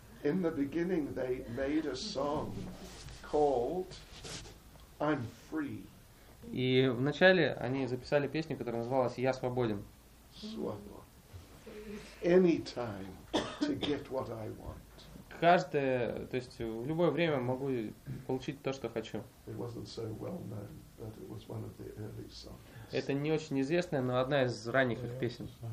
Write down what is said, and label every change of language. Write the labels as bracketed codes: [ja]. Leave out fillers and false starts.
[en] In the beginning they made a song called I'm Free. [ru] И вначале они записали песню, которая называлась «Я свободен». [en] Anytime to get what I want. [ru] Каждое, то есть в любое время могу получить то, что хочу. [en] It wasn't so well known, but it was one of the early songs. [ru] Это не очень известная, но одна из ранних их песен.